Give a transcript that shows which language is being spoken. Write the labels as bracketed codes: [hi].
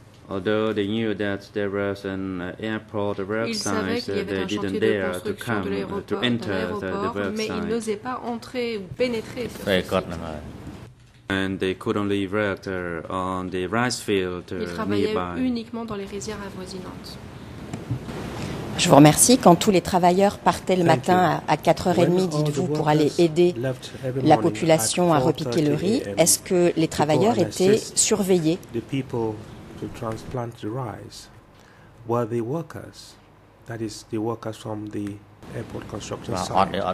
[en] Although they knew that there was an airport website, they didn't dare to come to enter the website. [fr] Mais ils n'osaient pas entrer ou pénétrer sur ce site. [en] And they could only work on the rice field nearby. [fr] Uniquement dans les rizières avoisinantes. Je vous remercie. Quand tous les travailleurs partaient le matin à 4h30, dites-vous, pour aller aider la population à repiquer le riz, est-ce que les travailleurs étaient surveillés? [en] The people to transplant the rice were the workers, that is, the workers from the airport construction site.